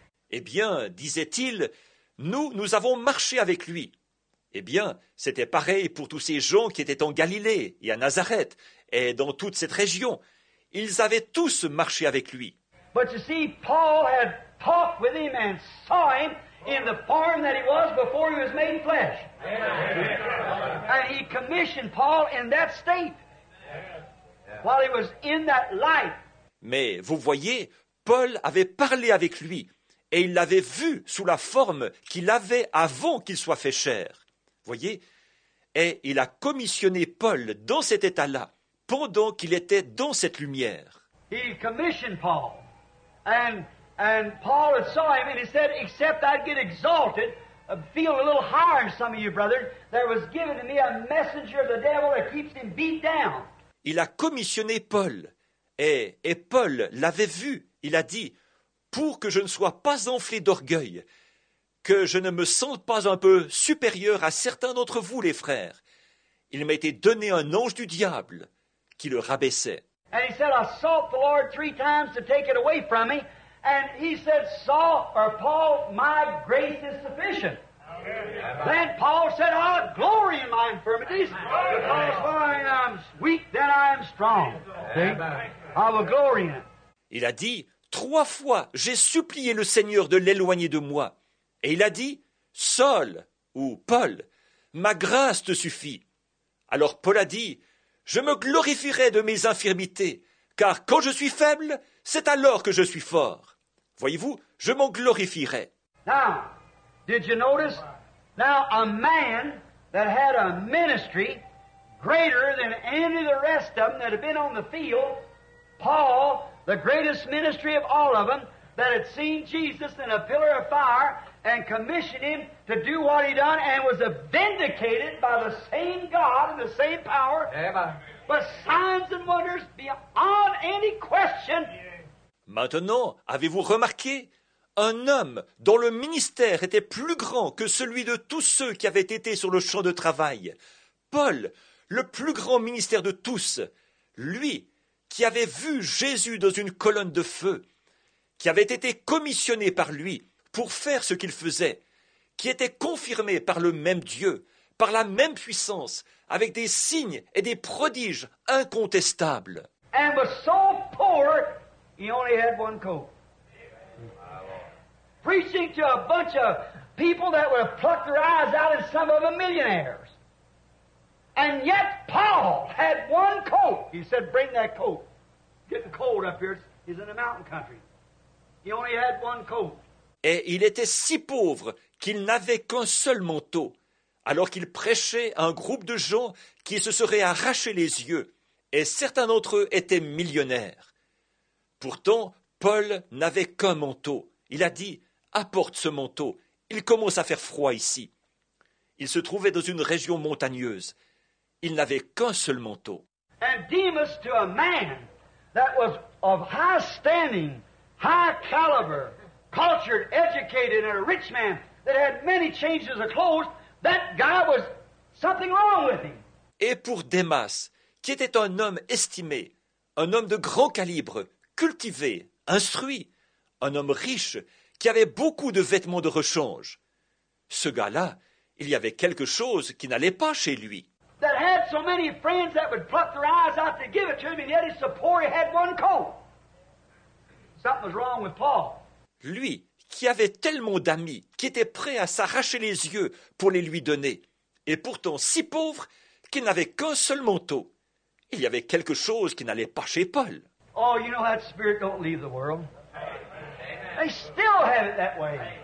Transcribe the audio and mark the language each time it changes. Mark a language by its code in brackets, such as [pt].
[fr] Eh bien, disait-il, nous avons marché avec lui. Eh bien, c'était pareil pour tous ces gens qui étaient en Galilée et à Nazareth et dans toute cette région. Ils avaient tous marché avec lui. [en] But you see, Paul had talked with him and saw him in the form that he was before he was made flesh. And he commissioned Paul in that state while he was in that light. [fr] Mais vous voyez, Paul avait parlé avec lui et il l'avait vu sous la forme qu'il avait avant qu'il soit fait chair. Voyez, et il a commissionné Paul dans cet état-là pendant qu'il était dans cette lumière. [en] He commissioned Paul. And Paul had saw him, and he said, except I'd get exalted, feel a little higher than some of you, brother, there was given to me a messenger of the devil that keeps him beat down. [fr] Il a commissionné Paul, et Paul l'avait vu. Il a dit, pour que je ne sois pas enflé d'orgueil, que je ne me sente pas un peu supérieur à certains d'entre vous, les frères, il m'a été donné un ange du diable qui le rabaissait. [en] And he said, I sought the Lord three times to take it away from me. And he said, Saul, or Paul, my grace is sufficient. Amen. Then Paul said, I glory in my infirmities. Because when I am weak, then I am strong. See? I will glory in it. [fr] Il a dit, trois fois, j'ai supplié le Seigneur de l'éloigner de moi. Et il a dit, Saul, ou Paul, ma grâce te suffit. Alors Paul a dit, Je me glorifierai de mes infirmités, car quand je suis faible, c'est alors que je suis fort. Voyez-vous, je m'en glorifierai. [en] Now, did you notice? Now, a man that had a ministry greater than any of the rest of them that had been on the field, Paul, the greatest ministry of all of them, that had seen Jesus in a pillar of fire and commissioned him to do what he done and was vindicated by the same God and the same power. Amen. But signs and wonders beyond any question. [fr] Maintenant, avez-vous remarqué? Un homme dont le ministère était plus grand que celui de tous ceux qui avaient été sur le champ de travail. Paul, le plus grand ministère de tous. Lui qui avait vu Jésus dans une colonne de feu, qui avait été commissionné par lui pour faire ce qu'il faisait, qui était confirmé par le même Dieu, par la même puissance, avec des signes et des prodiges incontestables. [en] And was so poor, he only had one coat. Preaching to a bunch of people that would have plucked their eyes out and some of them millionaires. And yet Paul had one coat. He said, bring that coat. Getting cold up here. He's in the mountain country. He only had one coat. [fr] Et il était si pauvre qu'il n'avait qu'un seul manteau, alors qu'il prêchait à un groupe de gens qui se seraient arrachés les yeux, et certains d'entre eux étaient millionnaires. Pourtant, Paul n'avait qu'un manteau. Il a dit, « Apporte ce manteau, il commence à faire froid ici. » Il se trouvait dans une région montagneuse. Il n'avait qu'un seul manteau. [en] And Demas, to a man that was of high standing, high caliber, cultured, educated, and a rich man that had many changes of clothes, that guy was something wrong with him. [fr] Et pour Demas, qui était un homme estimé, un homme de grand calibre, cultivé, instruit, un homme riche, qui avait beaucoup de vêtements de rechange, ce gars-là, il y avait quelque chose qui n'allait pas chez lui. [en] That had so many friends that would pluck their eyes out to give it to him, and yet he's so poor he had one coat. Something was wrong with Paul. [fr] Lui, qui avait tellement d'amis, qui était prêt à s'arracher les yeux pour les lui donner, et pourtant si pauvre qu'il n'avait qu'un seul manteau. Il y avait quelque chose qui n'allait pas chez Paul. [en] Oh, you know that spirit don't leave the world. They still have it that way.